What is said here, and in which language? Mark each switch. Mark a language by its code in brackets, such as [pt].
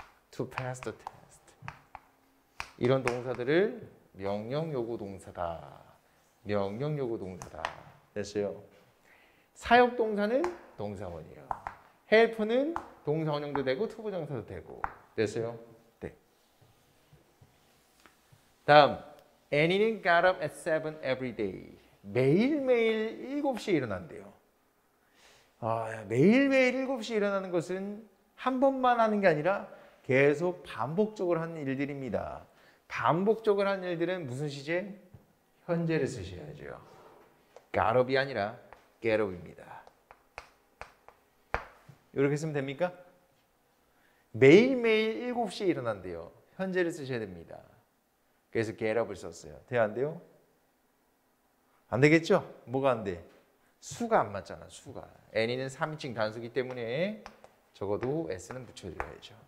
[en] To pass the test. [ko] 이런 동사들을 명령 요구 동사다. 명령 요구 동사다. 됐어요? 사역 동사는 동사원이에요. help는 동사원형도 되고 to 부정사도 되고. 됐어요? [en] 다음, Annie는 got up at 7 every day. [ko] 매일매일 7시에 일어난대요. 아, 매일매일 7시에 일어나는 것은 한 번만 하는 게 아니라 계속 반복적으로 하는 일들입니다. 반복적으로 하는 일들은 무슨 시제? 현재를 쓰셔야죠. got up이 아니라 get up입니다. 이렇게 쓰면 됩니까? 매일매일 7시에 일어난대요. 현재를 쓰셔야 됩니다. 그래서 get up을 썼어요. 돼요? 안 돼요? 안 되겠죠? 뭐가 안 돼? 수가 안 맞잖아. 수가. N이는 3인칭 단수기 때문에 적어도 S는 붙여줘야죠.